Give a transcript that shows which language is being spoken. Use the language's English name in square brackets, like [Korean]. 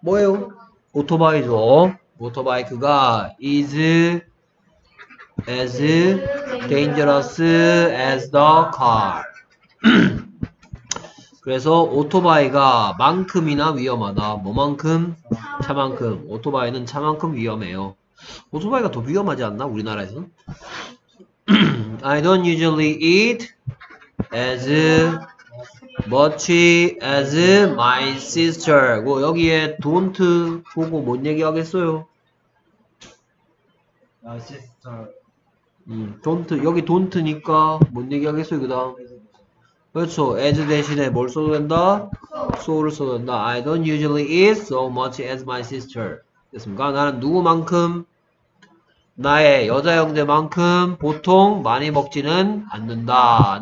[Korean] 뭐예요? 오토바이죠. 모터바이크가 [English] is as dangerous as the car. [Korean] 그래서 오토바이가 만큼이나 위험하다. 뭐만큼? 차만큼. 오토바이는 차만큼 위험해요. 오토바이가 더 위험하지 않나? 우리나라에서는? [English] I don't usually eat as much as my sister. [Korean] 뭐 여기에 don't 보고 뭔 얘기 하겠어요? [English] My sister. [Korean] Don't 여기 don't니까 뭔 얘기 하겠어요 그다음? 그렇죠. as 대신에 뭘 써도 된다? so를 써도 된다. [English] I don't usually eat so much as my sister. [Korean] 됐습니까? 나는 누구만큼 나의 여자 형제만큼 보통 많이 먹지는 않는다.